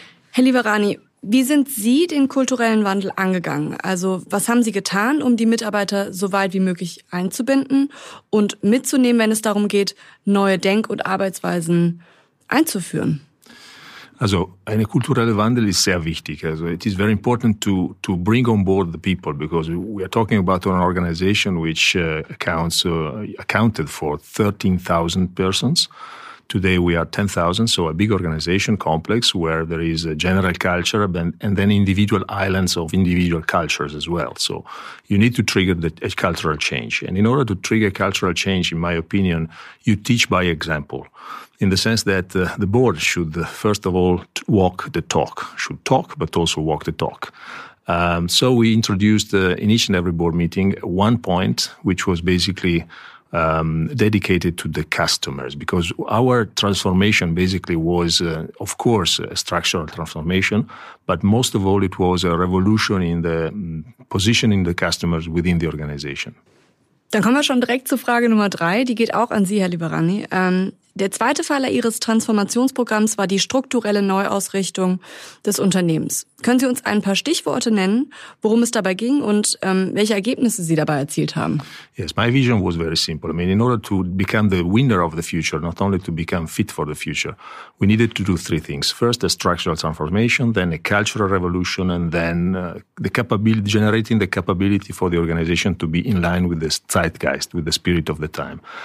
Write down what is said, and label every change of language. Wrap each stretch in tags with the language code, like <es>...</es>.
<de>Herr Liberani, wie sind Sie den kulturellen Wandel angegangen? Also was haben Sie getan, um die Mitarbeiter so weit wie möglich einzubinden und mitzunehmen, wenn es darum geht, neue Denk- und Arbeitsweisen einzuführen? Also eine kulturelle Wandel ist sehr wichtig.</de> <en>Also it is very important to bring on board the people, because we are talking about an organization which accounted for 13,000 persons. Today we are 10,000, so a big organization complex where there is a general culture and then individual islands of individual cultures as well. So you need to trigger a cultural change. And in order to trigger cultural change, in my opinion, you teach by example. In the sense that the board should, first of all, walk the talk. Should talk, but also walk the talk. So we introduced in each and every board meeting one point, which was basically dedicated to the customers, because our transformation basically was, of course, a structural transformation, but most of all, it was a revolution in the positioning the customers within the organization.</en> <de>Dann kommen wir schon direkt zu Frage Nummer 3. Die geht auch an Sie, Herr Liberani. Der zweite Pfeiler Ihres Transformationsprogramms war die strukturelle Neuausrichtung des Unternehmens. Können Sie uns ein paar Stichworte nennen, worum es dabei ging und welche Ergebnisse Sie dabei erzielt haben?</de> <en>Yes, my vision was very simple. I mean, in order to become the winner of the future, not only to become fit for the future, we needed to do three things. First, a structural transformation, then a cultural revolution, and then the capability, generating the capability for the organization to be in line with the zeitgeist, with the spirit of the time.</en>